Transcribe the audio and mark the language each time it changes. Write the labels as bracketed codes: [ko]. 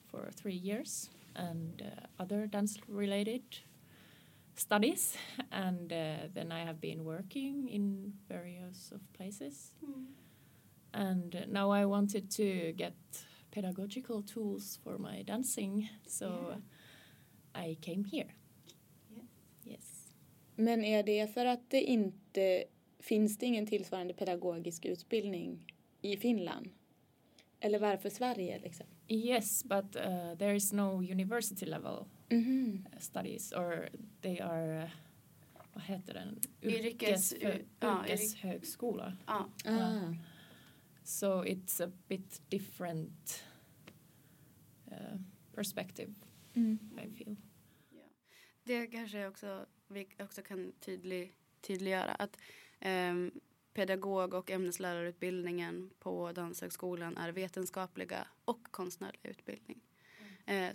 [en] For 3 years and other dance related studies, and then I have been working in various of places. Mm. And now I wanted to get pedagogical tools for my dancing, so yeah, I came here. Yeah. Yes. [sv] Men är det för att det inte finns det ingen tillsvarande pedagogisk utbildning i Finland? Eller varför Sverige liksom? [en] Yes, but there is no university level, mm-hmm, studies, or they are, [sv] vad heter den? Yrkeshögskola. [en] So it's a bit different perspective, I feel. [sv] Ja. Det kanske också, vi också kan tydliggöra att pedagog- och ämneslärarutbildningen på Danshögskolan är vetenskapliga och konstnärliga utbildning. Mm.